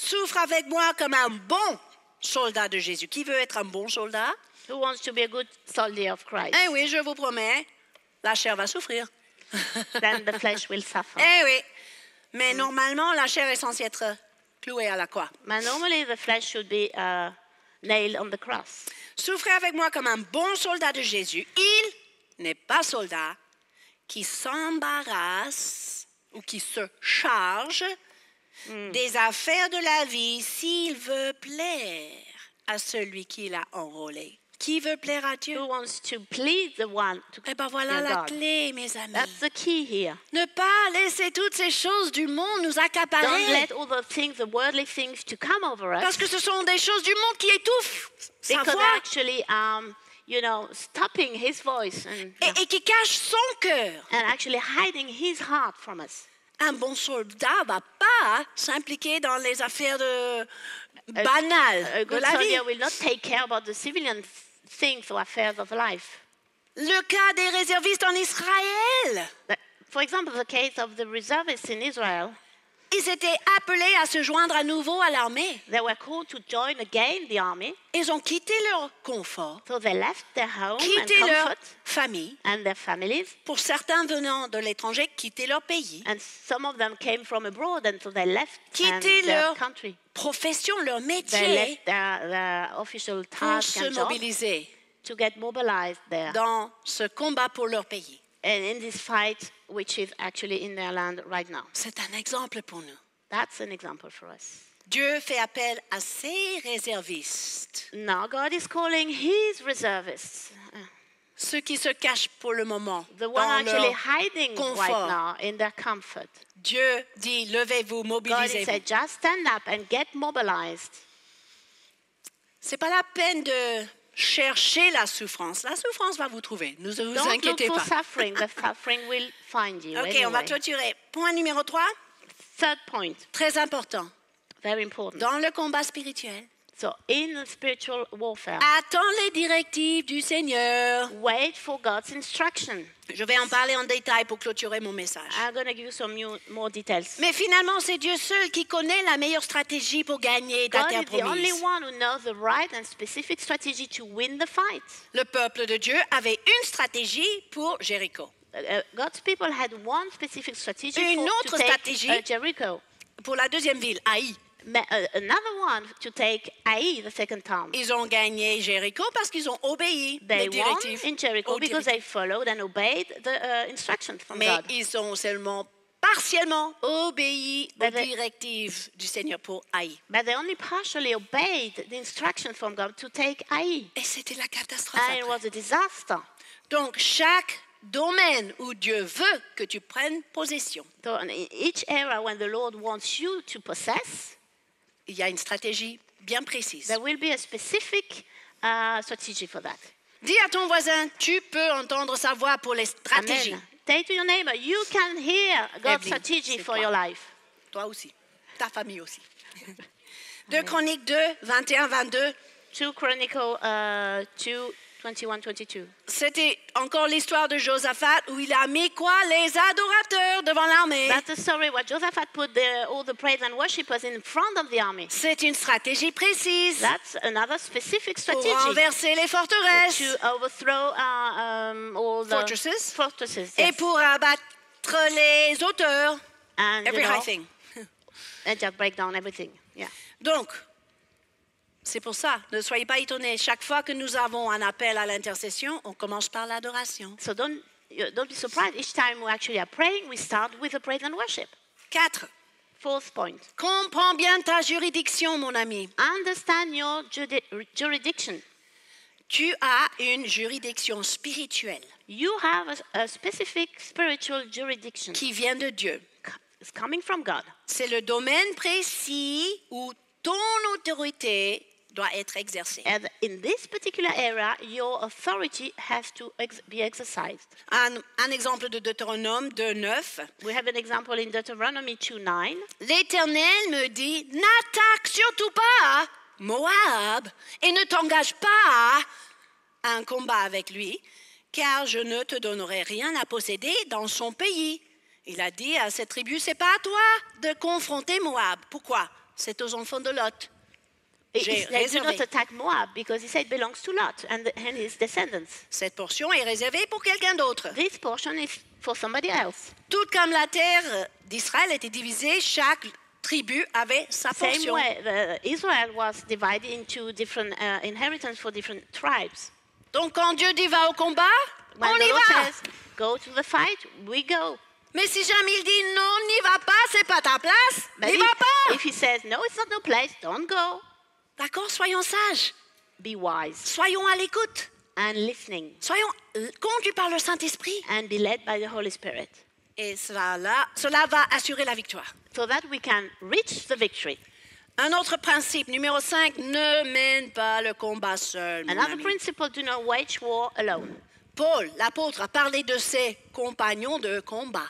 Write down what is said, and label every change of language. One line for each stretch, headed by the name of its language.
French: Souffre avec moi comme un bon soldat de Jésus. Qui veut être un bon soldat?
English: Who wants to be a good soldier of Christ?
French: Eh oui, je vous promets, la chair va souffrir.
English: Then the flesh will suffer.
French: Eh oui, mais normalement, la chair est censée être clouée à la croix.
English: But normally, the flesh should be nailed on the cross.
French: Souffrez avec moi comme un bon soldat de Jésus. Il n'est pas soldat qui s'embarrasse ou qui se charge des affaires de la vie s'il veut plaire à celui qui l'a enrôlé. Qui veut plaire à Dieu?
English: Who wants to please the one to
French: eh ben voilà la clé, mes amis.
English: That's the key here.
French: Ne pas laisser toutes ces choses du monde nous accaparer.
English: Don't let all the things, the worldly things, to come over us.
French: Parce que ce sont des choses du monde qui étouffent sa voix.
English: Because actually, you know, stopping his voice
French: et qui cachent son cœur.
English: And actually hiding his heart from us.
French: Un bon soldat va pas s'impliquer dans les affaires de banal.
English: A good soldier will not take care about the civilian things or affairs of life.
French: Le cas des réservistes en Israël.
English: For example, the case of the reservists in Israel.
French: Ils étaient appelés à se joindre à nouveau à l'armée.
English: They were called to join again the army.
French: Ils ont quitté leur confort.
English: So they left their home
French: quitté
English: and
French: leur
English: comfort
French: famille.
English: And their families.
French: Pour certains venant de l'étranger, quitter leur pays.
English: And some of them came from abroad and so they left
French: quitter
English: their country.
French: Quitter leur profession, leur métier.
English: They left their official task
French: pour se mobiliser.
English: To get mobilized there.
French: Dans ce combat pour leur pays.
English: And in this fight which is actually in their land right now.
French: C'est un exemple pour nous.
English: That's an example for us.
French: Dieu fait appel à ses réservistes.
English: Now God is calling his reservists.
French: Ceux qui se cachent pour le moment
English: the
French: dans
English: one actually
French: leur
English: hiding
French: confort.
English: Right now in their comfort.
French: Dieu dit levez-vous, mobilisez-vous.
English: God said just stand up and get mobilized.
French: C'est pas la peine de cherchez la souffrance. La souffrance va vous trouver. Ne vous
English: don't
French: inquiétez
English: look for
French: pas.
English: Suffering. The suffering will find you. OK, anyway.
French: On va clôturer. Point numéro 3.
English: Third point.
French: Très important.
English: Very important.
French: Dans le combat spirituel.
English: So in the spiritual warfare.
French: Attends les directives du Seigneur.
English: Wait for God's instruction.
French: Je vais en parler en détail pour clôturer mon message.
English: I'm going to give you some new, more details.
French: Mais finalement, c'est Dieu seul qui connaît la meilleure stratégie pour gagner
English: God
French: ta terre promise.
English: God is the only one who knows the right and specific strategy to win the fight.
French: Le peuple de Dieu avait une stratégie pour Jéricho.
English: God's people had one specific strategy Jericho.
French: Pour la deuxième ville, Aï.
English: Another one to take Ai the second time.
French: Ils ont gagné Jéricho parce qu'ils ont obéi
English: they
French: les directives.
English: In Jericho because they followed and obeyed the instructions from
French: Mais
English: God.
French: Mais ils ont seulement partiellement obéi aux directives du Seigneur pour Ai.
English: But they only partially obeyed the instructions from God to take Ai.
French: Et c'était la catastrophe.
English: And it was a disaster.
French: Donc chaque domaine où Dieu veut que tu prennes possession.
English: So in each area when the Lord wants you to possess.
French: Il y a une stratégie bien précise.
English: There will be a specific strategy for that.
French: Dis à ton voisin, tu peux entendre sa voix pour les stratégies. Amen.
English: Tell to your neighbor, you can hear God's Evelyn, strategy for
French: toi.
English: Your life.
French: Toi aussi, ta famille aussi. 2 Chroniques 2, 21-22.
English: 2 Chronicles 2, 21-22.
French: C'était encore l'histoire de Josaphat où il a mis quoi les adorateurs devant l'armée.
English: That's the story where Josaphat put all the praise and worshippers in front of the army.
French: C'est une stratégie précise.
English: That's another specific strategy.
French: Pour renverser les forteresses.
English: To overthrow all the fortresses. Fortresses. Yes.
French: Et pour abattre les auteurs.
English: And every you know, high thing. And just break down everything. Yeah.
French: Donc. C'est pour ça. Ne soyez pas étonnés. Chaque fois que nous avons un appel à l'intercession, on commence par l'adoration.
English: So don't be surprised. Each time we actually are praying, we start with a praise and worship.
French: Quatre.
English: Fourth point.
French: Comprends bien ta juridiction, mon ami.
English: Understand your jurisdiction.
French: Tu as une juridiction spirituelle.
English: You have a specific spiritual jurisdiction.
French: Qui vient de Dieu.
English: It's coming from God.
French: C'est le domaine précis où ton autorité doit être exercée.
English: And in this particular area, your authority has to be exercised.
French: Un exemple de Deutéronome 2:9.
English: We have an example in Deuteronomy 2:9.
French: L'Éternel me dit, n'attaque surtout pas Moab et ne t'engage pas à un combat avec lui, car je ne te donnerai rien à posséder dans son pays. Il a dit à cette tribu, c'est pas à toi de confronter Moab. Pourquoi? C'est aux enfants de Lot.
English: They do not attack Moab because he said it belongs to Lot and his descendants.
French: Cette portion est réservée pour quelqu'un d'autre.
English: This portion is for somebody else.
French: Tout comme la terre d'Israël était divisée, chaque tribu avait sa portion.
English: Same way, Israel was divided into different inheritance for different tribes.
French: Donc quand Dieu dit va au combat,
English: when
French: on y
English: Lord
French: va.
English: Says, go to the fight, we go.
French: Mais si jamais il dit non, n'y va pas, c'est pas ta place. N'y va pas.
English: If he says no, it's not your place, don't go.
French: D'accord, soyons sages.
English: Be wise.
French: Soyons à l'écoute.
English: And listening.
French: Soyons conduits par le Saint-Esprit.
English: And be led by the Holy Spirit.
French: Et cela va assurer la victoire.
English: So that we can reach the victory.
French: Un autre principe, numéro 5, ne mène pas le combat seul.
English: Another principle, do not wage war alone.
French: Paul, l'apôtre, a parlé de ses compagnons de combat.